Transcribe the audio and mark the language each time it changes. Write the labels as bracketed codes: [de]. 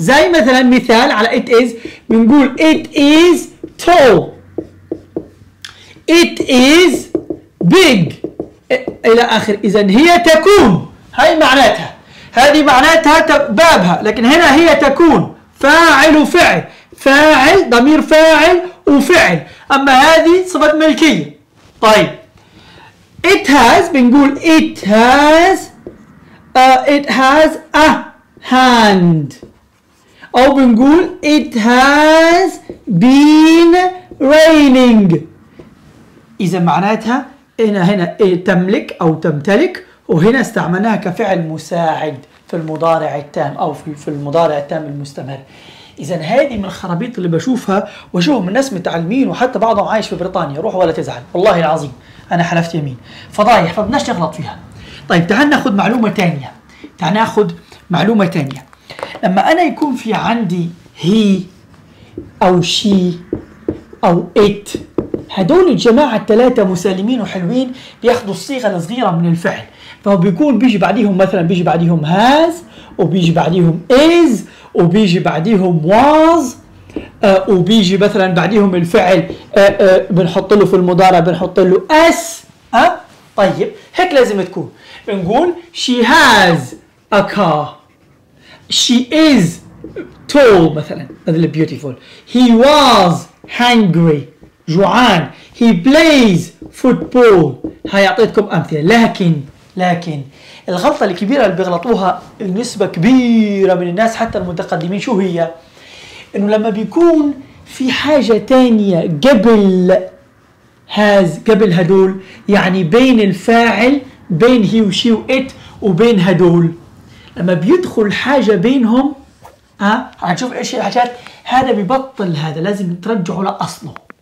[ar] زي مثلا مثال على [en] it is [ar] بنقول [en] it is tall it is big [ar] الى اخر. اذا هي تكون، هاي معناتها، هذه معناتها بابها، لكن هنا هي تكون فاعل وفعل، فاعل ضمير فاعل وفعل، اما هذه صفة ملكية. طيب [en] it has [ar] بنقول [en] it has it has a hand [ar] أو بنقول [en] it has been raining. [ar] إذا معناتها هنا هنا تملك أو تمتلك، وهنا استعملناها كفعل مساعد في المضارع التام أو في المضارع التام المستمر. إذا هذه من الخرابيط اللي بشوفها وأشوفها من ناس متعلمين وحتى بعضهم عايش في بريطانيا، روح ولا تزعل والله العظيم أنا حلفت يمين، فضايح فبدناش نغلط فيها. طيب تعال ناخذ معلومة ثانية، تعال ناخذ معلومة ثانية. لما أنا يكون في عندي هي أو شي أو إت، هدول الجماعة الثلاثة مسالمين وحلوين بياخذوا الصيغة الصغيرة من الفعل، فهو بيكون بيجي بعديهم مثلا بيجي بعديهم هاز وبيجي بعديهم إز وبيجي بعديهم واز وبيجي مثلا بعديهم الفعل بنحط له في المضارع بنحط له أس. طيب هيك لازم تكون، بنقول [en] she has a car she is tall [ar] مثلا هذا beautiful [en] he was hungry [ar] جوعان [en] he plays football. [ar] هاي اعطيتكم امثله، لكن الغلطه الكبيره اللي بيغلطوها نسبه كبيره من الناس حتى المتقدمين شو هي؟ انه لما بيكون في حاجه ثانيه قبل هاز قبل هدول، يعني بين الفاعل بين هي وشي وات وبين هدول، لما بيدخل حاجه بينهم ها هنشوف ايش الحاجات، هذا ببطل، هذا لازم ترجعه لاصله.